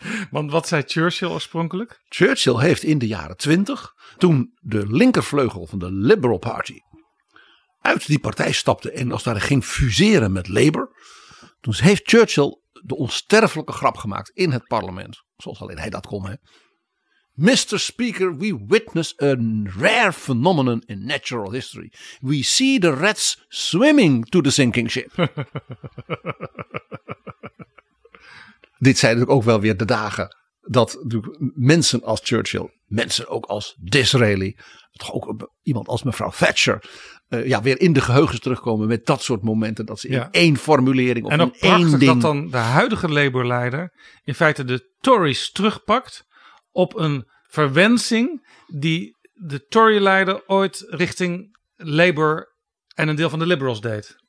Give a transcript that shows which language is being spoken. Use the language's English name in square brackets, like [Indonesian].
[Dutch] Want wat zei Churchill oorspronkelijk? Churchill heeft in de jaren 20, toen de linkervleugel van de Liberal Party uit die partij stapte en als daar ging fuseren met Labour, toen heeft Churchill de onsterfelijke grap gemaakt in het parlement, zoals alleen hij dat kon. Hè. Mr. [English] Speaker, we witness a rare phenomenon in natural history. We see the rats swimming to the sinking ship. [Dutch] Dit zijn natuurlijk ook wel weer de dagen dat mensen als Churchill, mensen ook als Disraeli, toch ook iemand als mevrouw Thatcher, weer in de geheugens terugkomen met dat soort momenten. Dat ze in één formulering of in één ding. En dat dan de huidige Labour-leider in feite de Tories terugpakt op een verwensing die de Tory-leider ooit richting Labour en een deel van de Liberals deed.